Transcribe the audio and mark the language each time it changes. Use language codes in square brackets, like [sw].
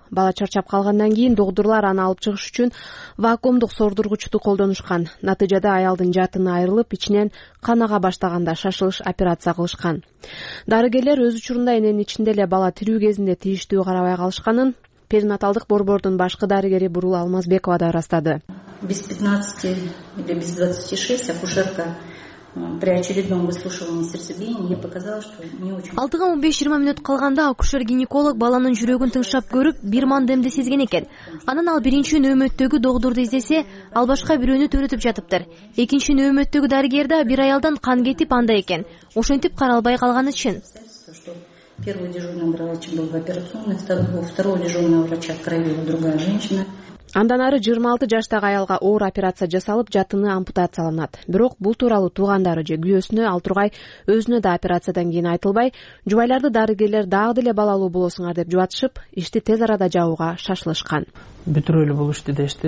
[ky] Бала чарчап калгандан кийин доктурлар аны алып чыгыш үчүн вакуумдук сордургучту колдонушкан. Натыйжада аялдын жатыны айрылып, ичинен кан ага баштаганда шашылыш операция кылышкан. Дарыгерлер өз учурунда эненин ичинде эле бала тирүү кезинде тийиштүү карабай калышканын перинаталдык борбордун башкы дарыгери Бурул Алмазбекова да ырастады. [ru] Без 15 или без 26 акушерка при очередном выслушивании сердцебиения мне показалось, что не очень. [ky] Алтыга 15-20 минут калганда акушер гинеколог баланын жүрөгүн тыңшап көрүп, бир мандемди сезген экен. Анан ал биринчи нөөмөттөгү доктурду издесе, ал башка бирөөнү төрөтүп жатыптыр. Экинчи нөөмөттөгү дарыгер да бир аялдан кан кетип андай экен. Ошентип каралбай калганы үчүн. [ru] Первый дежурный врач был в операционной, второго дежурного врача откровила другая женщина. [ky] Андан ары 26 жаштагы аялга оор операция жасалып, жатыны ампутацияланат. Бирок бул тууралуу туугандары же күйөөсүнө ал тургай өзүнө да операциядан кийин айтылбай, жубайларды дарыгерлер дагы деле балалуу болосуңар деп жубатышып, ишти тез арада жабууга шашылышкан. Бүтүрөлү эле бул ишти дешти.